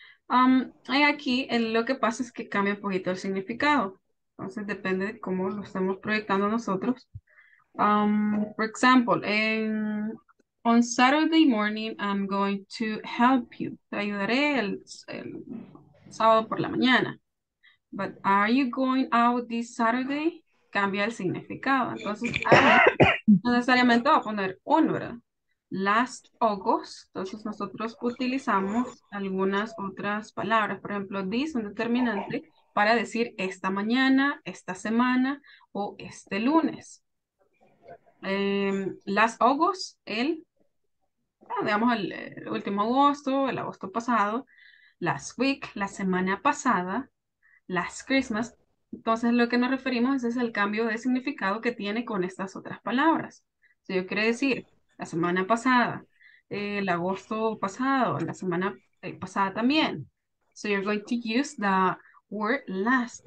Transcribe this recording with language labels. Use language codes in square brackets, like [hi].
[es] Hay aquí, lo que pasa es que cambia un poquito el significado. Entonces depende de cómo lo estamos proyectando nosotros. [en] For example, on Saturday morning, I'm going to help you. [es] Te ayudaré el sábado por la mañana. [en] But are you going out this Saturday? [es] Cambia el significado. Entonces, no necesariamente va a poner on, ¿verdad? [en] Last August. [es] Entonces, nosotros utilizamos algunas otras palabras. Por ejemplo, this, un determinante, para decir esta mañana, esta semana o este lunes. [en] Last August, [es] el último agosto, el agosto pasado. [en] Last week, [es] la semana pasada. [en] Last Christmas. [es] Entonces, lo que nos referimos es el cambio de significado que tiene con estas otras palabras. Si yo quiero decir la semana pasada, el agosto pasado, la semana pasada también. [en] So you're going to use the word last.